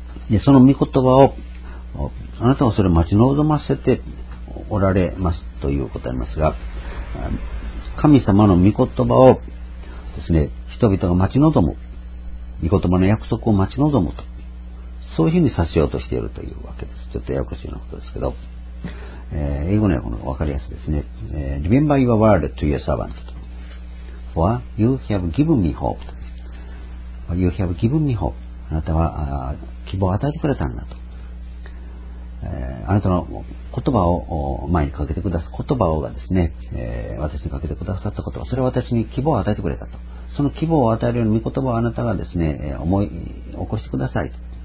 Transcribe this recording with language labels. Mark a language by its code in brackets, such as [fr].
[ja] でその御言葉をあなたはそれを待ち望ませておられますということありますが、神様の御言葉をですね、人々が待ち望む、御言葉の約束を待ち望むと、そういうふうにさせようとしているというわけです。ちょっとややこしいようなことですけど、英語にはこの分かりやすいですね。 [en] Remember your word to your servant. For you have given me hope. You have given me hope. [ja] あなたは希望を与えてくれたんだと。あなたの言葉を前にかけてくださった言葉がですね、私にかけてくださった言葉、それは私に希望を与えてくれたと。その希望を与えるような御言葉をあなたがですね、思い起こしてくださいと。